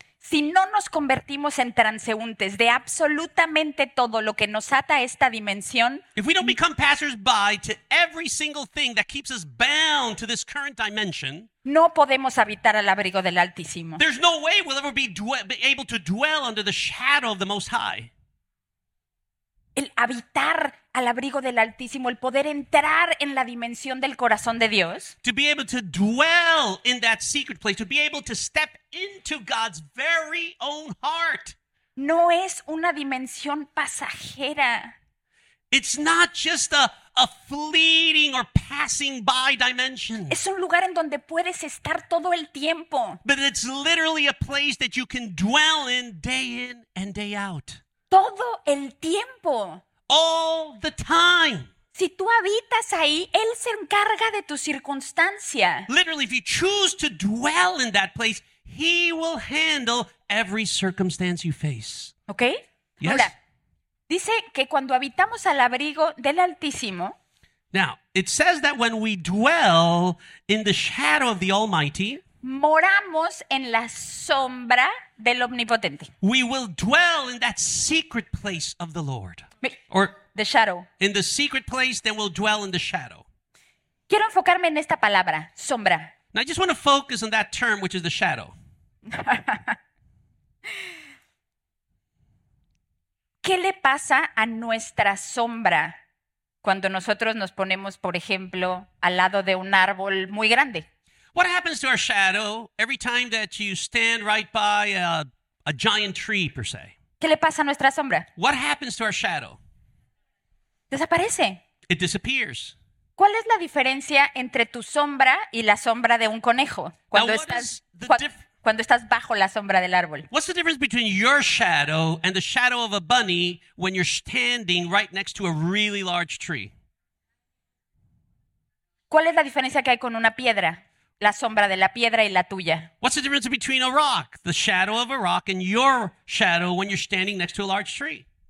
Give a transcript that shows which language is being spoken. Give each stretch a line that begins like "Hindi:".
Spanish: Si no nos convertimos en transeúntes de absolutamente todo lo que nos ata a esta dimensión,
English: if we don't become passers-by to every single thing that keeps us bound to this current dimension,
Spanish: no podemos habitar al abrigo del Altísimo.
English: There's no way we'll ever be able to dwell under the shadow of the Most High.
Spanish: El habitar al abrigo del Altísimo, el poder entrar en la dimensión del corazón de Dios,
English: to be able to dwell in that secret place, to be able to step into God's very own heart,
Spanish: no es una dimensión pasajera.
English: It's not just a fleeting or passing by dimension.
Spanish: Es un lugar en donde puedes estar todo el tiempo.
English: But it's literally a place that you can dwell in and day out.
Spanish: Todo el tiempo.
English: All the time.
Spanish: Si tú habitas ahí, Él se encarga de tu circunstancia.
English: Literally, if you choose to dwell in that place, He will handle every circumstance you face. Okay? Yes?
Spanish: Ahora, dice que cuando habitamos al abrigo del Altísimo.
English: Now, it says that when we dwell in the shadow of the Almighty.
Spanish: Moramos en la sombra del Omnipotente.
English: We will dwell in that secret place of the Lord. Or the shadow. In the secret place, then we'll dwell in the shadow.
Spanish: Quiero enfocarme en esta palabra, sombra.
English: Now, I just want to focus on that term, which is the shadow.
Spanish: ¿Qué le pasa a nuestra sombra cuando nosotros nos ponemos, por ejemplo, al lado de un árbol muy grande?
English: What happens to our shadow every time that you stand right by a giant tree, per se?
Spanish: ¿Qué le pasa a nuestra sombra?
English: What happens to our shadow?
Spanish: Desaparece.
English: It disappears.
Spanish: ¿Cuál es la diferencia entre tu sombra y la sombra de un conejo cuando estás bajo la sombra del árbol?
English: What's the difference between your shadow and the shadow of a bunny when you're standing right next to a really large tree?
Spanish: ¿Cuál es la diferencia que hay con una piedra? La sombra de la piedra y la tuya.
English: What's the difference between a rock, the shadow of a rock, and your shadow when you're standing next to a large tree?